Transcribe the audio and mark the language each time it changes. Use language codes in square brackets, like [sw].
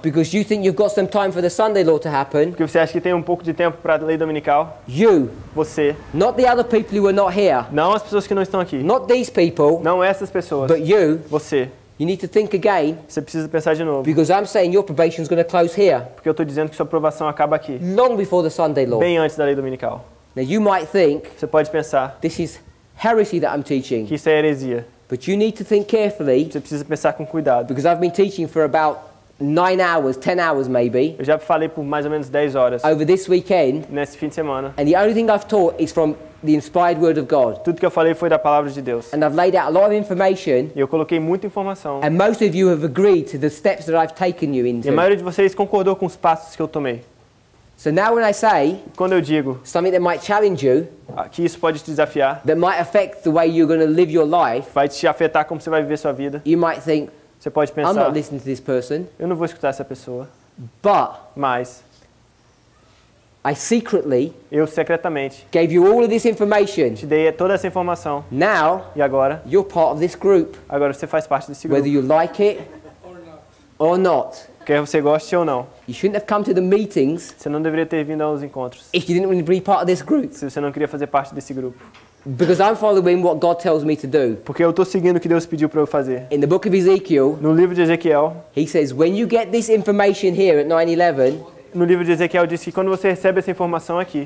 [en] Because you think you've got some time for the Sunday law to happen. [pt] Porque você acha que tem pouco de tempo para a lei dominical. [en] You. [pt] Você. [en] Not the other people who are not here. [pt] Não as pessoas que não estão aqui. [en] Not these people. [pt] Não essas pessoas. [en] But you. [pt] Você. [en] You need to think again. [pt] Você precisa pensar de novo. [en] Because I'm saying your probation is going to close here. [pt] Porque eu estou dizendo que sua aprovação acaba aqui. [en] Long before the Sunday law. [pt] Bem antes da lei dominical. [en] Now you might think. [pt] Você pode pensar. [en] This is heresy that I'm teaching. [pt] Que isso é heresia. [en] But you need to think carefully. [pt] Você precisa pensar com cuidado. [en] Because I've been teaching for about 9 hours, 10 hours maybe. [pt] Eu já falei por mais ou menos 10 horas. [en] Over this weekend. [pt] Nesse fim de semana. [en] And the only thing I've taught is from the inspired word of God. [pt] Tudo que eu falei foi da palavra de Deus. [en] And I've laid out a lot of information. [pt] E eu coloquei muita informação. [en] And most of you have agreed to the steps that I've taken you into. [pt] E a maioria de vocês concordou com os passos que eu tomei. [en] So now when I say, [pt] quando eu digo, [en] something that might challenge you, [pt] que isso pode te desafiar, [en] that might affect the way you're going to live your life, [pt] vai te afetar como você vai viver sua vida, [en] you might think, [pt] você pode pensar, [en] I'm not listening to this person, [pt] eu não vou escutar essa pessoa, [en] but, [pt] mas, [en] I secretly, [pt] eu secretamente, [en] gave you all of this information, [pt] te dei toda essa informação, [en] now, [pt] e agora, [en] you're part of this group, [pt] agora você faz parte desse grupo, [en] whether you like it, or not. [pt] Quer você goste ou não. [en] You shouldn't have come to the meetings. [pt] Você não deveria ter vindo aos encontros. [en] If you didn't want to be part of this group. [pt] Se você não queria fazer parte desse grupo. [en] Because I'm following what God tells me to do. [pt] Porque eu estou seguindo o que Deus pediu para eu fazer. [en] In the book of Ezekiel. [pt] No livro de Ezequiel. [en] He says, when you get this information here at 9/11. [pt] No livro de Ezequiel diz que quando você recebe essa informação aqui.